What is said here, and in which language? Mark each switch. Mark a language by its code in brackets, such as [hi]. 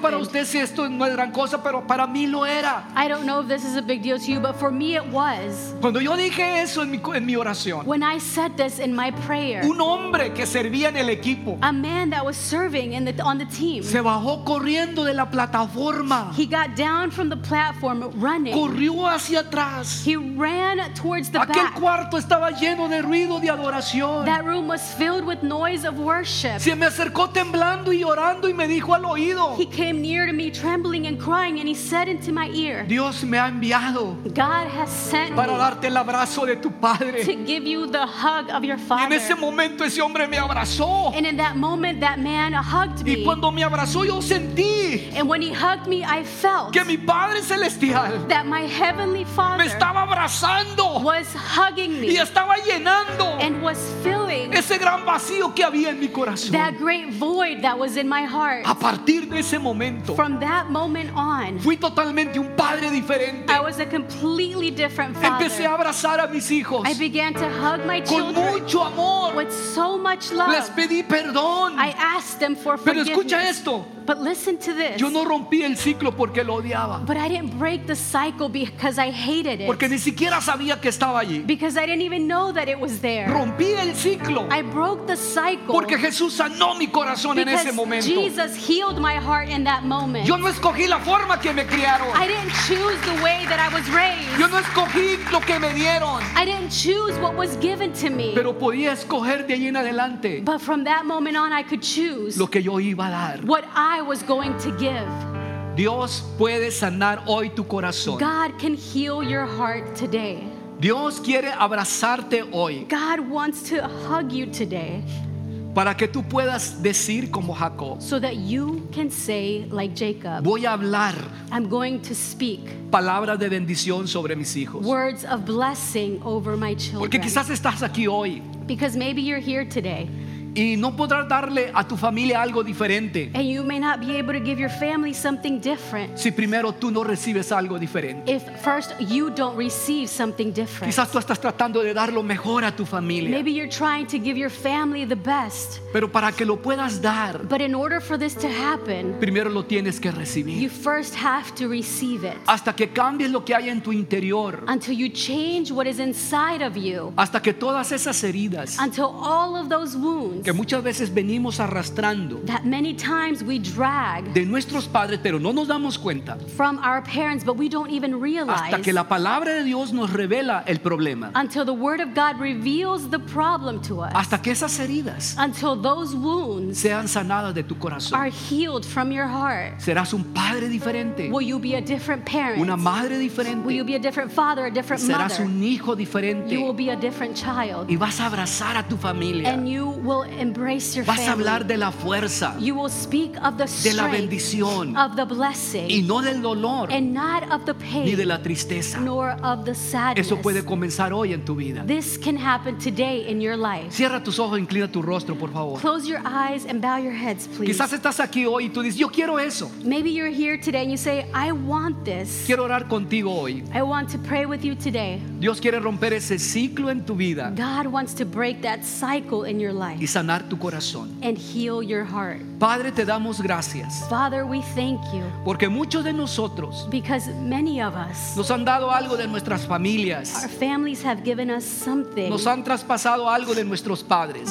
[es] Para usted si esto no es gran cosa, pero para mí lo era. [en] I don't know if this is a big deal to you, but for me it was. [es] Cuando yo dije eso en mi oración, [en] when I said this in my prayer, [es] un hombre que servía en el equipo, [en] a man that was serving in the, on the team, [es] se bajó corriendo de la plataforma. [en] He got down from the platform running. [es] Corrió hacia atrás. [en] He ran towards the [es] aquel [en] back. [es] Cuarto estaba lleno de ruido de adoración. [en] That room was filled with noise of worship. [es] Se me acercó temblando y llorando y me dijo al oído. [en] He came near to me trembling and crying and he said into my ear, [es] Dios me ha enviado. [en] God has sent [es] para [en] me [es] darte el abrazo de tu padre. [en] To give you the hug of your father. [es] Y en ese momento ese hombre me abrazó. [en] And in that moment that man hugged me. [es] Y cuando me abrazó yo sentí. [en] And when he hugged me I felt [es] que mi padre celestial [en] that my heavenly father [es] me estaba abrazando. [en] Was hugging me. [es] Y estaba llenando. [en] And was filling [es] ese gran vacío que había en mi corazón. [en] That great void that was in my heart. [es] A partir de ese momento, [en] from that moment on, [es] fui totalmente un padre diferente. [en] I was a completely different father. [es] Empecé a abrazar a mis hijos. [en] I began to hug my [es] con [en] children [es] mucho amor. [en] With so much love. [es] Les pedí perdón. [en] I asked them for [es] pero [en] forgiveness. [es] Escucha esto. [en] But listen to this. [es] Yo no rompí el ciclo porque lo odiaba. [en] But I didn't break the cycle because I hated it. [es] Porque ni siquiera sabía que estaba allí. [en] Because I didn't even know that it was there. [es] Rompí el ciclo. [en] I broke the cycle. [es] Porque Jesús sanó mi corazón en ese momento. [en] Jesus healed my heart in that moment. [es] Yo no escogí la forma que me criaron. [en] I didn't choose the way that I was raised. [es] Yo no escogí lo que me dieron. [en] I didn't choose what was given to me. [es] Pero podía escoger de ahí en adelante. [en] But from that moment on I could choose [es] lo que yo iba a dar. [en] What I was going to give. [es] Dios puede sanar hoy tu corazón. [en] God can heal your heart today. [es] Dios quiere abrazarte hoy. [en] God wants to hug you today. [es] Para que tú puedas decir como Jacob. [en] So that you can say like Jacob. [es] Voy a hablar. [en] I'm going to speak. [es] Palabras de bendición sobre mis hijos. [en] Words of blessing over my children. [es] Porque quizás estás aquí hoy. [en] Because maybe you're here today. [es] Y no podrás darle a tu familia algo diferente. [en] And you may not be able to give your family something different. [es] Si primero tú no recibes algo diferente. [en] If first you don't receive something different. [es] Quizás tú estás tratando de dar lo mejor a tu familia. [en] Maybe you're trying to give your family the best. [es] Pero para que lo puedas dar. [en] But in order for this to happen. [es] Primero lo tienes que recibir. [en] You first have to receive it. [es] Hasta que cambies lo que hay en tu interior. [en] Until you change what is inside of you. [es] Hasta que todas esas heridas. [en] Until all of those wounds. [es] Que muchas veces venimos arrastrando [en] that many times we drag [es] de nuestros padres pero no nos damos cuenta [en] from our parents, but we don't even realize [es] hasta que la palabra de Dios nos revela el problema [en] until the word of God reveals the problem to us [es] hasta que esas heridas [en] until those wounds [es] sean sanadas de tu corazón [en] are healed from your heart. [es] Serás un padre diferente. [en] Will you be a different parent? [es] Una madre diferente. [en] Will you be a different father, a different [es] serás [en] mother? [es] Un hijo diferente. [en] You will be a different child. [es] Y vas a abrazar a tu familia. [en] And you will embrace your [es] vas [en] family. [es] A hablar de la fuerza, [en] you will speak of the strength [es] de la bendición, [en] of the blessing [es] y no del dolor, [en] and not of the pain [es] ni de la tristeza. [en] Nor of the sadness. [es] Eso puede comenzar hoy en tu vida. [en] This can happen today in your life. [es] Cierra tus ojos, inclina tu rostro, por favor. [en] Close your eyes and bow your heads, please. [es] Quizás estás aquí hoy y tú dices, yo quiero eso. [en] Maybe you're here today and you say, I want this. [es] Quiero orar contigo hoy. [en] I want to pray with you today. [es] Dios quiere romper ese ciclo en tu vida. [en] God wants to break that cycle in your life. [es] Y sanar tu corazón. [en] And heal your heart. [es] Padre, te damos gracias. [en] Father, we thank you. [es] Porque muchos de nosotros. [en] Because many of us. [es] Nos han dado algo de nuestras familias. [en] Our families have given us something. [es] Nos han traspasado algo de nuestros padres.